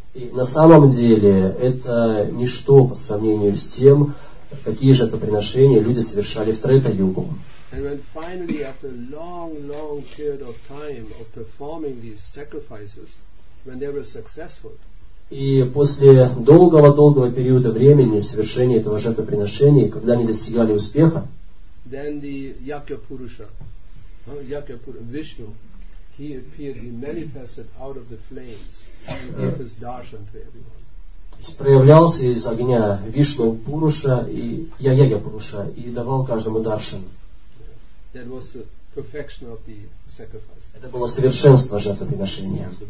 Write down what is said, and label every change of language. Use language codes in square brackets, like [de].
[ru] И на самом деле это ничто по сравнению с тем, какие же это приношения люди совершали в Трета Югу. [en] And when finally, after a long, long period of time of performing these sacrifices, when they were successful. [ru] И после долгого-долгого периода времени совершения этого жертвоприношения, когда они достигали успеха, [en] then the Yakya-Purusha, Vishnu, he appeared, he manifested out of the flames and gave his darshan to everyone. [ru] Проявлялся из огня Вишну Пуруша и Яяга Пуруша и давал каждому даршан. Это было совершенство жертвоприношения.